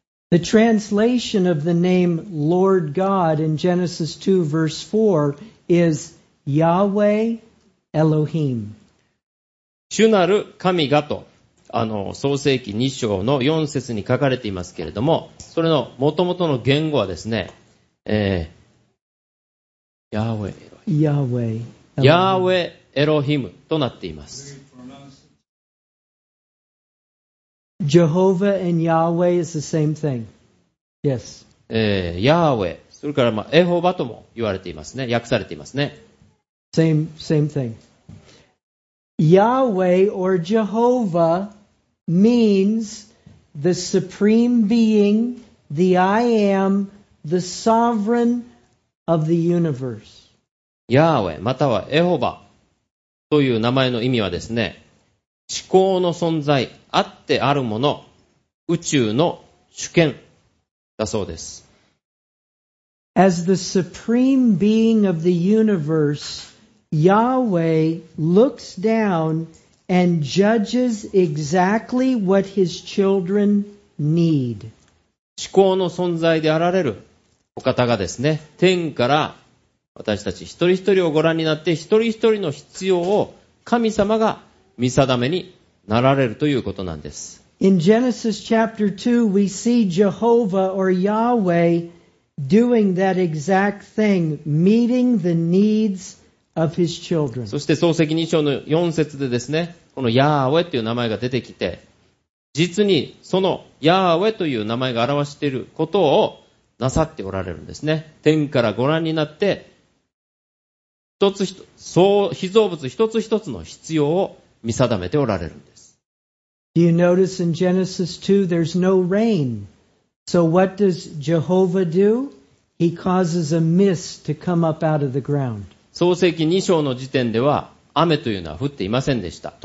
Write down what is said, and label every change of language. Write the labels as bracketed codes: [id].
[en] The translation of the name Lord God in Genesis 2 verse 4 is Yahweh Elohim. [ja] 主なる神がと、創世記2章の4節に書かれていますけれども、それの元々の言語はですね、Yahweh Elohim となっています。 [en] Jehovah and Yahweh is the same thing. Yes. [ja] Yahweh, それから、エホバとも言われていますね。訳されていますね。 [en] Same thing. Yahweh or Jehovah means the supreme being, the I am, the sovereign of the universe. [ja] Yahweh, またはエホバという名前の意味はですね、至高の存在、あってあるもの、宇宙の主権だそうです。 [en] As the supreme being of the universe, Yahweh looks down and judges exactly what his children need. [ja] 至高の存在であられるお方がですね、天から私たち一人一人をご覧になって、一人一人の必要を神様が見定めになられるということなんです。 [en] In Genesis chapter 2, we see Jehovah or Yahweh doing that exact thing, meeting the needs of his children. [ja] そして創世記2章の4節でですね、このヤーウェという名前が出てきて、実にそのヤーウェという名前が表していることをなさっておられるんですね。天からご覧になって、被造物一つ一つの必要を見定めておられるんです。 [en] Do you notice in Genesis 2 there's no rain? So what does Jehovah do? He causes a mist to come up out of the ground. [ja] 創世記2章の時点では雨というのは降っていませんでした。